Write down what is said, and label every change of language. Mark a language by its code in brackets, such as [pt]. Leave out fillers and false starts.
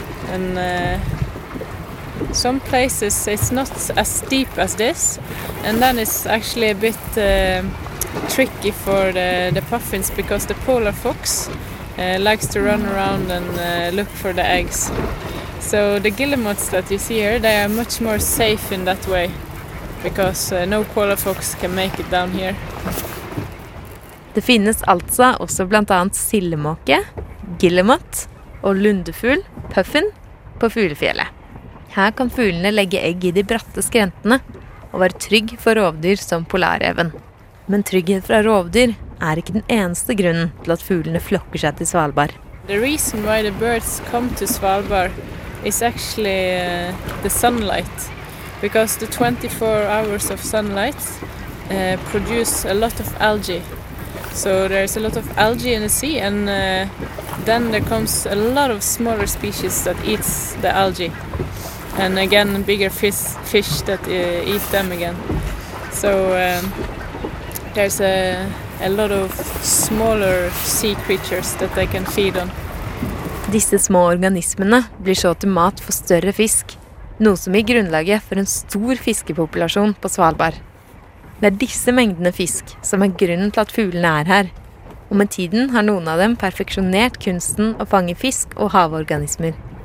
[en] And some places it's not as steep as this, and then it's actually a bit tricky for the puffins, because the polar fox likes to run around and look for the eggs. So the guillemots that you see here, they are much more safe in that way, because no koala fox can make it down here. [no] Det finnes altså også blant annet sillemåke, guillemot og lundefugl, puffin, på fuglefjellet. Her kan fuglene legge egg I de bratte skrentene og være trygg for rovdyr som polareven. Men trygghet fra rovdyr ikke den eneste grunnen til at fuglene flokker seg til Svalbard. [en] The reason why the birds come to Svalbard is actually the sunlight. Because the 24 hours of sunlight produce a lot of algae. So there's a lot of algae in the sea and then there comes a lot of smaller species that eats the algae. And again, bigger fish that eat them again. So there's a lot of smaller sea creatures that they can feed on. [no] Disse små organismene blir så til mat for større fisk, noe som gir grunnlaget for en stor fiskepopulasjon på Svalbard. Det disse mengdene fisk som grunnen til at fuglene her. Og med tiden har noen av dem perfeksjonert kunsten å fange fisk og havorganismer.